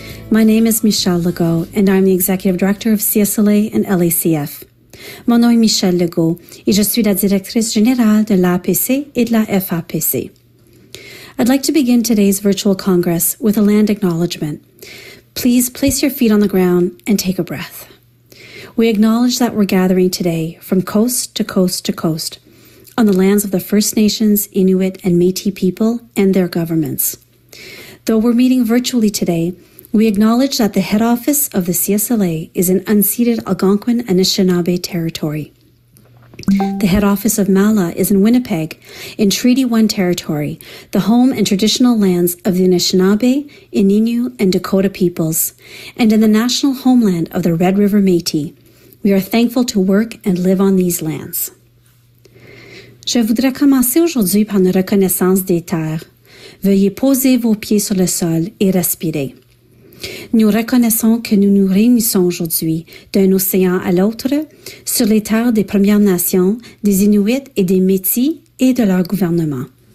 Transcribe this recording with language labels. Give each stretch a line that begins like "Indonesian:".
English: My name is Michelle Legault, and I'm the Executive Director of CSLA and LACF.
French: Mon nom est Michelle Legault, et je suis la Directrice Générale de l'APC et de la FAPC.
English: I'd like to begin today's virtual Congress with a land acknowledgement. Please place your feet on the ground and take a breath. We acknowledge that we're gathering today from coast to coast to coast, on the lands of the First Nations, Inuit, and Métis people and their governments. Though we're meeting virtually today, we acknowledge that the head office of the CSLA is in unceded Algonquin Anishinaabe territory. The head office of MALA is in Winnipeg, in Treaty 1 territory, the home and traditional lands of the Anishinaabe, Innu, and Dakota peoples, and in the national homeland of the Red River Métis. We are thankful to work and live on these lands.
French: Je voudrais commencer aujourd'hui par une reconnaissance des terres. Veuillez poser vos pieds sur le sol et respirer. Nous reconnaissons que nous nous réunissons aujourd'hui, d'un océan à l'autre, sur les terres des Premières Nations, des Inuits et des Métis et de leur gouvernement.